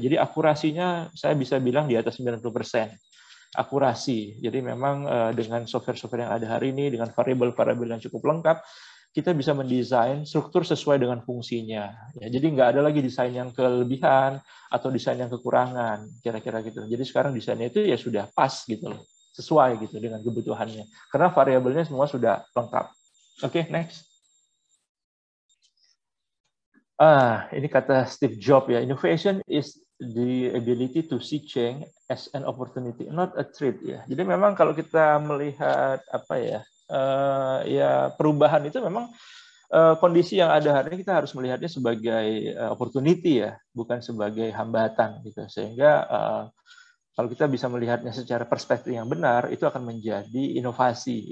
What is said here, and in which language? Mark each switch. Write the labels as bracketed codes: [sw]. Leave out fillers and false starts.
[id] Jadi akurasinya saya bisa bilang di atas 90%. Akurasi, jadi memang dengan software-software yang ada hari ini, dengan variable-variable yang cukup lengkap, kita bisa mendesain struktur sesuai dengan fungsinya. Ya, jadi nggak ada lagi desain yang kelebihan atau desain yang kekurangan, kira-kira gitu. Jadi sekarang desainnya itu ya sudah pas gitu loh, sesuai gitu dengan kebutuhannya. Karena variabelnya semua sudah lengkap. Oke, okay, next. Ini kata Steve Jobs ya, [en] innovation is the ability to see change as an opportunity, not a threat ya. [id] Jadi memang kalau kita melihat apa ya, ya perubahan itu memang kondisi yang ada hari ini kita harus melihatnya sebagai opportunity ya, bukan sebagai hambatan gitu. Sehingga kalau kita bisa melihatnya secara perspektif yang benar, itu akan menjadi inovasi.